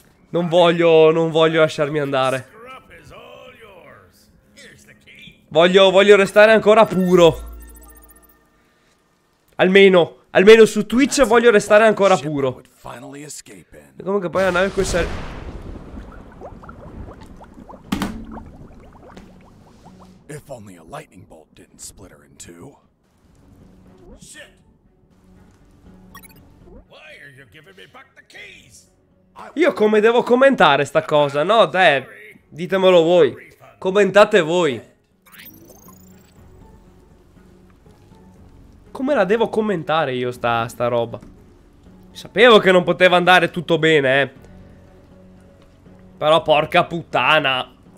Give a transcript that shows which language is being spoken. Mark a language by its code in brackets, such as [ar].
[it] Non voglio lasciarmi andare. Voglio restare ancora puro. Almeno su Twitch voglio restare ancora puro. Comunque poi la nave questa... [en] If only a lightning bolt didn't split her in two. Shit. Why are you giving me back the keys? [it] Io come devo commentare sta cosa? No, dai. Ditemelo voi. Commentate voi. Come la devo commentare io sta roba? Sapevo che non poteva andare tutto bene, però porca puttana.